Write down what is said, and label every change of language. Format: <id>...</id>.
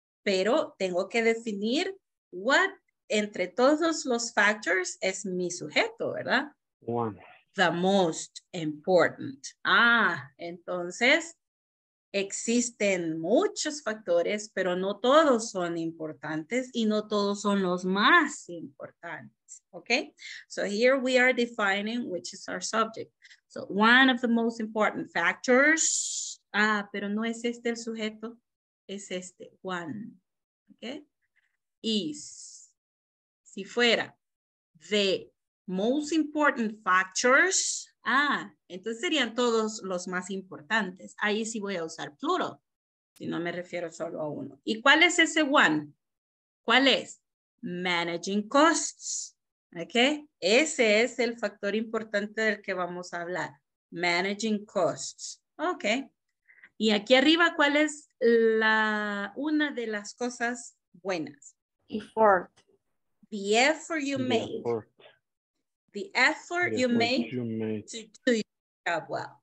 <es>Pero tengo que definir what entre todos los factors es mi sujeto, ¿verdad?</es> <en>One. The most important.</en> <es>Ah, entonces existen muchos factores, pero no todos son importantes y no todos son los más importantes.</es> <en>Okay? So here we are defining which is our subject. So one of the most important factors.</en> <es>Ah, pero no es este el sujeto. Es este,</es> <en>one. Okay? Is.</en> <es>Si fuera</es> <en>the most important factors.</en> <es>Ah, entonces serían todos los más importantes. Ahí sí voy a usar plural. Si no me refiero solo a uno. ¿Y cuál es ese one? ¿Cuál es? Managing costs. Okay. Ese es el factor importante del que vamos a hablar. Managing costs. Okay. Y aquí arriba, ¿cuál es la una de las cosas buenas?</es> <en>Effort. The effort you make. Effort. The effort you make to do your job well.</en>